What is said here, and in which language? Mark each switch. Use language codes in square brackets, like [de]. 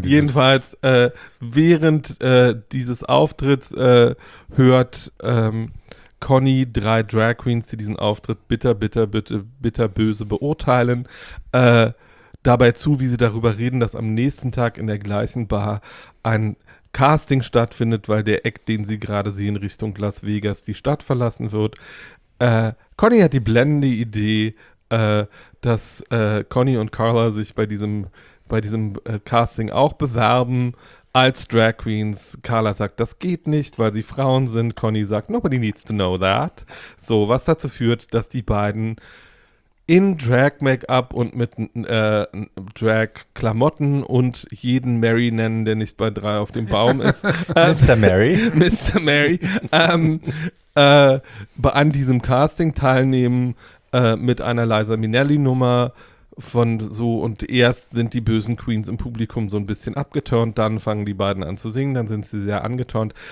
[de] Jedenfalls, während dieses Auftritts hört Conny drei Drag Queens, die diesen Auftritt bitter böse beurteilen, dabei zu, wie sie darüber reden, dass am nächsten Tag in der gleichen Bar ein Casting stattfindet, weil der Act, den sie gerade sehen, Richtung Las Vegas die Stadt verlassen wird. Conny hat die blendende Idee, dass Conny und Carla sich bei diesem Casting auch bewerben als Drag Queens. Carla sagt, das geht nicht, weil sie Frauen sind. Conny sagt, [en] nobody needs to know that. [de] So, was dazu führt, dass die beiden in Drag-Make-up und mit Drag-Klamotten und jeden Mary nennen, der nicht bei drei auf dem Baum ist. Mr. Mary. Mr. Mary. an diesem Casting teilnehmen mit einer Liza Minnelli-Nummer von so, und erst sind die bösen Queens im Publikum so ein bisschen abgeturnt, dann fangen die beiden an zu singen, dann sind sie sehr angeturnt.